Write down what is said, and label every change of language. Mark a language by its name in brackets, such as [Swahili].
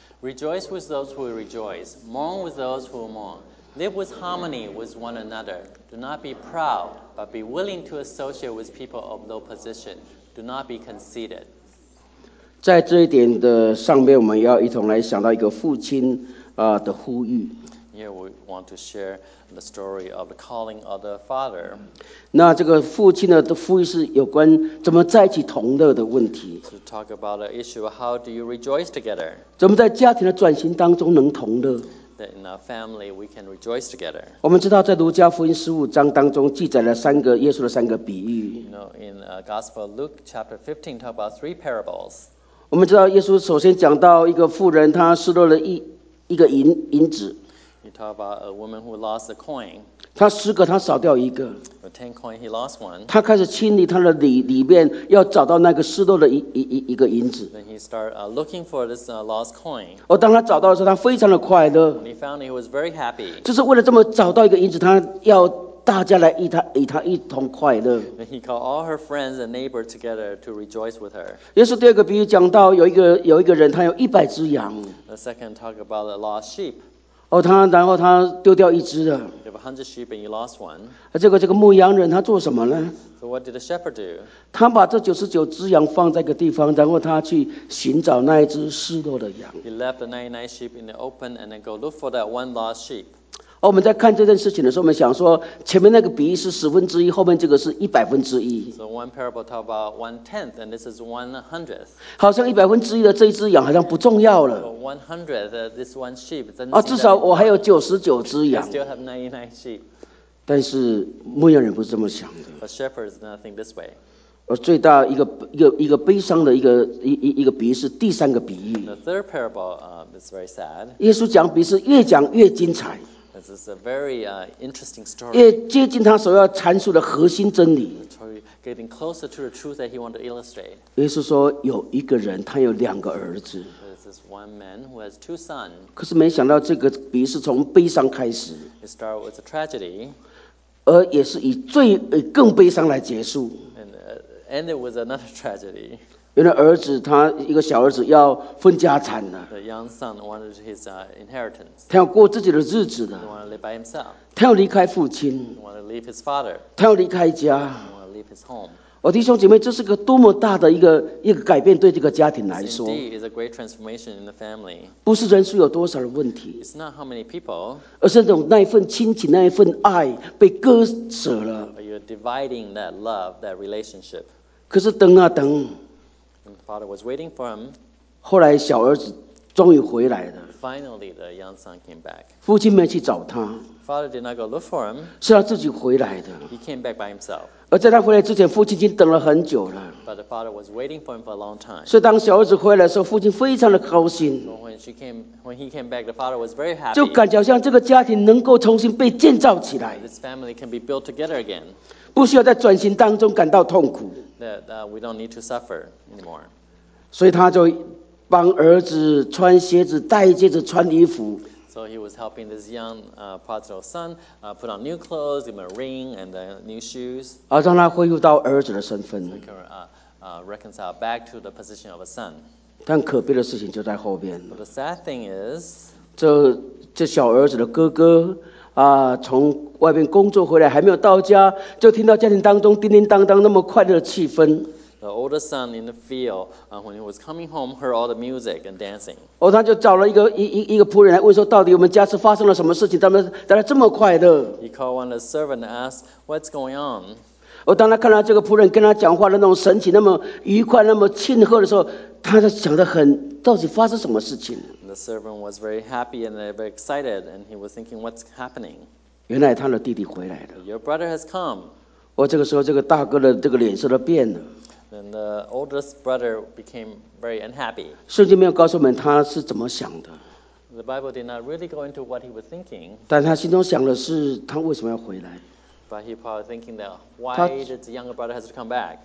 [English] Rejoice with those who rejoice, mourn with those who mourn, live with harmony with one another. Do not be proud, but be willing to associate with people of low position. Do not be conceited. [Chinese] 在这一点的上面，我们要一同来想到一个父亲的呼吁。 [English] Here we want to share the story of the calling of the father. [Chinese] 那这个父亲的呼吁是有关怎么在一起同乐的问题。 [English] To talk about the issue of how do you rejoice together? [Chinese] 怎么在家庭的转型当中能同乐？ [English] That in our family we can rejoice together. [Chinese] 我们知道在路加福音十五章当中记载了三个耶稣的三个比喻。 [English] You know, in Gospel Luke chapter 15, talk about three parables. [Chinese] 我们知道耶稣首先讲到一个妇人，她失落了一个银子。 [English] You talk about a woman who lost a coin. [Chinese] 她失个，她少掉一个。 [English] With 10 coin, he lost one. [Chinese] 她开始清理她的里面，要找到那个失落的一个银子。 [English] Then he started looking for this lost coin. [Chinese] 当她找到的时候，她非常的快乐。 [English] When he found it, he was very happy. [Chinese] 就是为了这么找到一个银子，她要大家来与他一同快乐。 [English] Then he called all her friends and neighbors together to rejoice with her. [Chinese] 耶稣第二个比喻讲到有一个人，他有100只羊。 [English] The second talk about a lost sheep. [Chinese] 然后他丢掉一只了。 [English] You have 100 sheep and you lost one. [Chinese] 这个牧羊人他做什么呢 [English] ？So what did the shepherd do? [Chinese] 他把这99只羊放在一个地方，然后他去寻找那一只失落的羊。 [English] He left the 99 sheep in the open and then go look for that one lost sheep. [Chinese] 我们在看这件事情的时候，我们想说前面那个比喻是十分之一，后面这个是1/100。 [English] So one parable talk about 1/10, and this is 1/100. [Chinese] 好像1/100的这一只羊好像不重要了。 [English] So 1/100, this one sheep. [Chinese] 至少我还有99只羊。 [English] I still have 99 sheep. [Chinese] 但是牧羊人不是这么想的。 [English] But shepherds do not think this way. [Chinese] 最大一个悲伤的一个比喻是第三个比喻。 [English] The third parable is very sad. [Chinese] 耶稣讲比喻是越讲越精彩。 [English] This is a very interesting story. [Chinese] 越接近他所要阐述的核心真理。 [English] Getting closer to the truth that he wanted to illustrate. [Chinese] 耶稣说有一个人，他有两个儿子。 [English] This is one man who has 2 sons. [Chinese] 可是没想到这个比喻是从悲伤开始。 [English] It started with a tragedy. [Chinese] 而也是以最更悲伤来结束。 [English] And ended with another tragedy. [Chinese] 原来儿子他一个小儿子要分家产了。 [English] The young son wanted his inheritance. [Chinese] 他要过自己的日子了。 [English] He wanted to live by himself. [Chinese] 他要离开父亲。 [English] He wanted to leave his father. [Chinese] 他要离开家。 [English] He wanted to leave his home. [Chinese] 弟兄姐妹，这是个多么大的一个改变，对这个家庭来说。 [English] This indeed is a great transformation in the family. [Chinese] 不是人数有多少的问题。 [English] It's not how many people. [Chinese] 而是那一份亲情，那一份爱被割舍了。 [English] You're dividing that love, that relationship. [Chinese] 可是等啊等。 [English] Father was waiting for him. [Chinese] 后来小儿子终于回来了。 [English] Finally, the young son came back. [Chinese] 父亲没去找他。 [English] Father did not go look for him. [Chinese] 是他自己回来的。 [English] He came back by himself. [Chinese] 而在他回来之前，父亲已经等了很久了。 [English] But the father was waiting for him for a long time. [Chinese] 所以当小儿子回来的时候，父亲非常的高兴。 [English] When he came back, the father was very happy. [Chinese] 就感觉好像这个家庭能够重新被建造起来。 [English] This family can be built together again. [Chinese] 不需要在转型当中感到痛苦。 [English] That we don't need to suffer anymore. [Chinese] 所以他就帮儿子穿鞋子、戴戒指、穿衣服。 [English] So he was helping this young prodigal son put on new clothes, give him a ring and then new shoes. [Chinese] 让他恢复到儿子的身份。 [English] So he can reconcile back to the position of a son. [Chinese] 但可悲的事情就在后边。 [English] But the sad thing is, [Chinese] 这小儿子的哥哥从外面工作回来还没有到家，就听到家庭当中叮叮当当那么快乐的气氛。 [English] The older son in the field, when he was coming home, heard all the music and dancing. [Chinese] 哦，他就找了一个仆人来问说，到底我们家是发生了什么事情，大家这么快乐。 [English] He called one of the servants and asked, "What's going on?" [Chinese] 哦，当他看到这个仆人跟他讲话的那种神情，那么愉快，那么庆贺的时候，他就想得很，到底发生什么事情？ [English] The servant was very happy and very excited, and he was thinking, "What's happening?" [Chinese] 原来他的弟弟回来了。 [English] Your brother has come. [Chinese] 哦，这个时候这个大哥的这个脸色都变了。 [English] Then the oldest brother became very unhappy. [Chinese] 圣经没有告诉我们他是怎么想的。 [English] The Bible did not really go into what he was thinking. [Chinese] 但他心中想的是他为什么要回来。 [English] But he probably thinking that why did the younger brother have to come back?